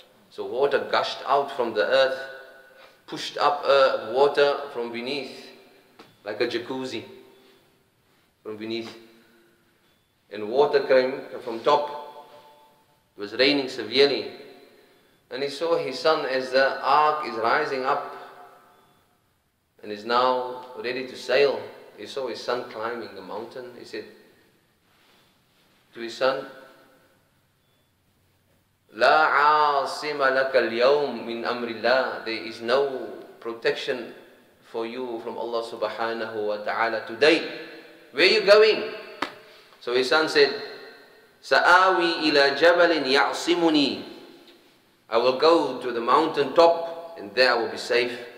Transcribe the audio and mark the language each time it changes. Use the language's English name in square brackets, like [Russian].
[English] So water gushed out from the earth, pushed up water from beneath, like a jacuzzi, from beneath. And water came from top. It was raining severely. And he saw his son as the ark is rising up and is now ready to sail. He saw his son climbing the mountain. He said to his son, [Arabic] لا عاصم لك اليوم من أمر الله. [English] There is no protection for you from Allah subhanahu wa ta'ala today. Where are you going? So his son said, [Arabic] سآوي إلى جبل يعصمني. [English] I will go to the mountain top and there I will be safe.